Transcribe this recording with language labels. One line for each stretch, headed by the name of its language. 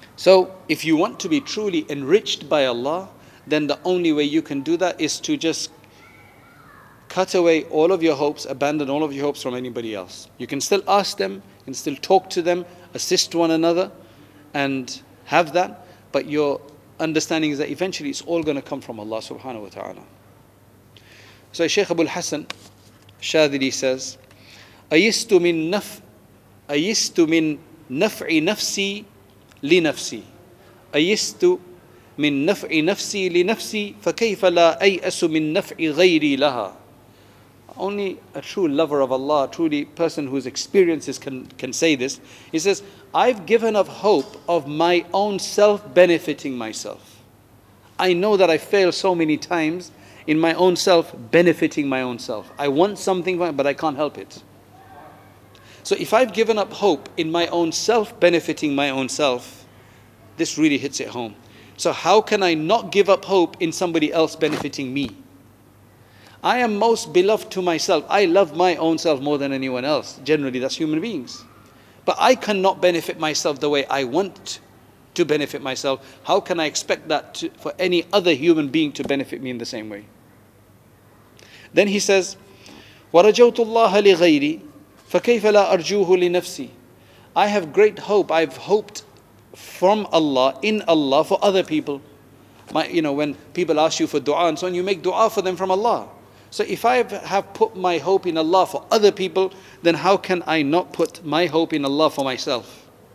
English: So if you want to be truly enriched by Allah, then the only way you can do that is to just cut away all of your hopes, abandon all of your hopes from anybody else. You can still ask them, you can still talk to them, assist one another and have that, but your understanding is that eventually it's all going to come from Allah subhanahu wa ta'ala. So Shaykh Abu al-Hasan Shadidi says,
Arabic: أَيِسْتُ مِن نَفْعِ نَفْسِي لِنَفْسِي فَكَيْفَ لَا أَيْأَسُ مِن نَفْعِ غَيْرِي لَهَا.
English: Only a true lover of Allah, truly person whose experiences can say this. He says, I've given up hope of my own self benefiting myself. I know that I fail so many times in my own self benefiting my own self. I want something, but I can't help it. So if I've given up hope in my own self benefiting my own self, this really hits it home. So how can I not give up hope in somebody else benefiting me? I am most beloved to myself. I love my own self more than anyone else. Generally, that's human beings. But I cannot benefit myself the way I want to benefit myself. How can I expect that for any other human being to benefit me in the same way? Then he says,
Arabic: وَرَجَوْتُ اللَّهَ لِغَيْرِي فَكَيْفَ لَا أَرْجُوهُ لِنَفْسِي.
English: I have great hope. I've hoped from Allah, in Allah, for other people. When people ask you for dua and so on, you make dua for them from Allah. So if I have put my hope in Allah for other people, then how can I not put my hope in Allah for myself?